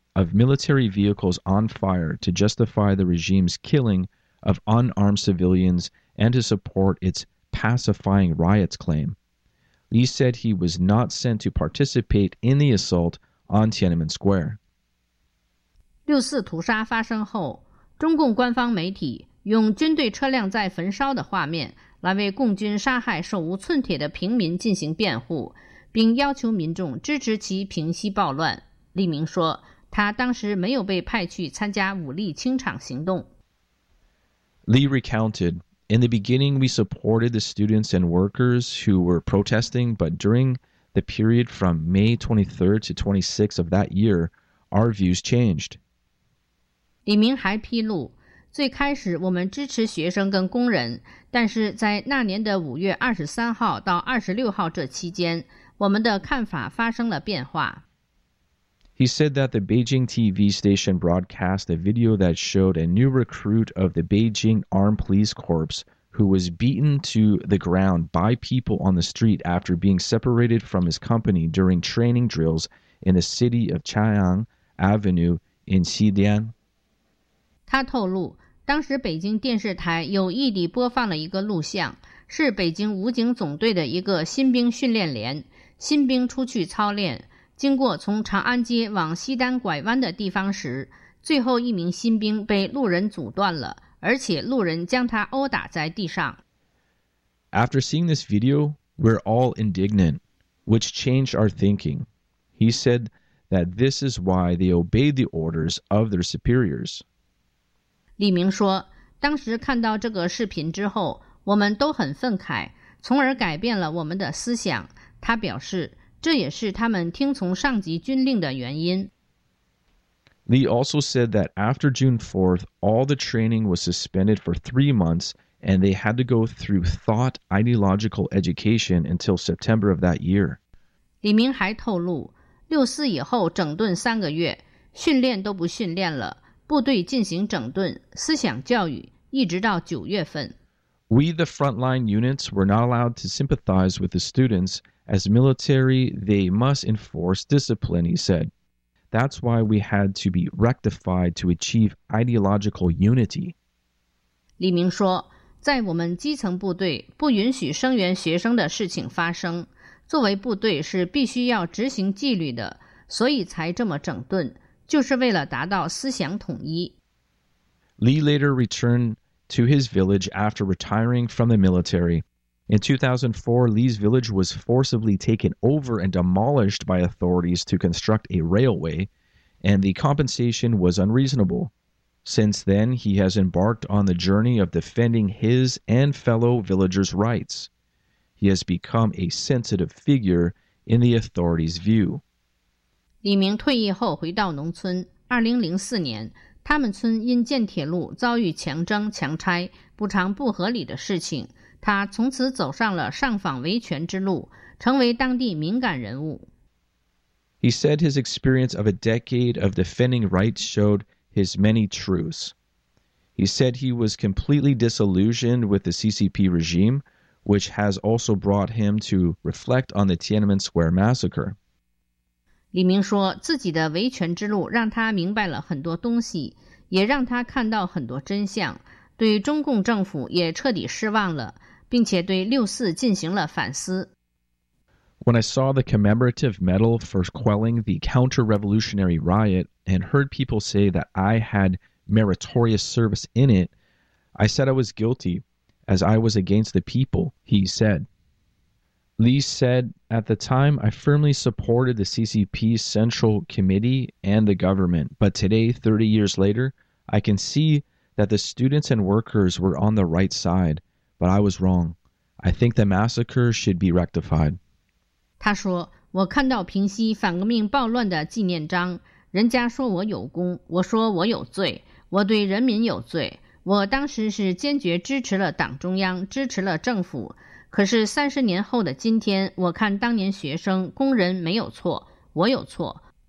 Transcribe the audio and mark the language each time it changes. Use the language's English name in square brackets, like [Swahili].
[English] of military vehicles on fire to justify the regime's killing of unarmed civilians and to support its pacifying riots claim. Lee said he was not sent to participate in the assault on Tiananmen Square. [Chinese] 六四屠杀发生后，中共官方媒体用军队车辆在焚烧的画面来为共军杀害手无寸铁的平民进行辩护，并要求民众支持其平息暴乱。利明说，他当时没有被派去参加武力清场行动。 [English] Lee recounted, "In the beginning, we supported the students and workers who were protesting, but during the period from May 23rd to 26th of that year, our views changed." [Chinese] 李明还披露，最开始我们支持学生跟工人，但是在那年的5月23号到26号这期间，我们的看法发生了变化。 [English] He said that the Beijing TV station broadcast a video that showed a new recruit of the Beijing Armed Police Corps who was beaten to the ground by people on the street after being separated from his company during training drills in the city of Chaiyang Avenue in Xidian. [Chinese] 他透露，当时北京电视台有意地播放了一个录像，是北京武警总队的一个新兵训练连，新兵出去操练。经过从长安街往西单拐弯的地方时，最后一名新兵被路人阻断了，而且路人将他殴打在地上。 [English] After seeing this video, we're all indignant, which changed our thinking. He said that this is why they obeyed the orders of their superiors. [Chinese] 李明说，当时看到这个视频之后，我们都很愤慨，从而改变了我们的思想。他表示，这也是他们听从上级军令的原因。 [English] Lee also said that after June 4th, all the training was suspended for 3 months and they had to go through thought ideological education until September of that year. [Chinese] 李明还透露，六四以后整顿3个月，训练都不训练了，部队进行整顿，思想教育，一直到9月份。 [English] We, the frontline units, were not allowed to sympathize with the students. As military, they must enforce discipline, he said. That's why we had to be rectified to achieve ideological unity. [Chinese] 李明说，在我们基层部队不允许声援学生的事情发生，作为部队是必须要执行纪律的，所以才这么整顿，就是为了达到思想统一。 [English] Lee later returned to his village after retiring from the military. In 2004, Lee's village was forcibly taken over and demolished by authorities to construct a railway, and the compensation was unreasonable. Since then, he has embarked on the journey of defending his and fellow villagers' rights. He has become a sensitive figure in the authorities' view. [Chinese] 李明退役后回到农村。 2004年，他们村因建铁路遭遇强征强拆，补偿不合理的事情。他从此走上了上访维权之路，成为当地敏感人物。 [English] He said his experience of a decade of defending rights showed his many truths. He said he was completely disillusioned with the CCP regime, which has also brought him to reflect on the Tiananmen Square massacre. [Chinese] 李明说，自己的维权之路让他明白了很多东西，也让他看到很多真相。对中共政府也彻底失望了，并且对六四进行了反思。 [English] When I saw the commemorative medal for quelling the counter-revolutionary riot and heard people say that I had meritorious service in it, I said I was guilty, as I was against the people, he said. Lee said, at the time, I firmly supported the CCP's Central Committee and the government, but today, 30 years later, I can seethat the students and workers were on the right side, but I was wrong. I think the massacre should be rectified. [Chinese] 他说，我看到平息反革命暴乱的纪念章，人家说我有功，我说我有罪，我对人民有罪。我当时是坚决支持了党中央，支持了政府。可是30年后的今天，我看当年学生、工人没有错，我有错。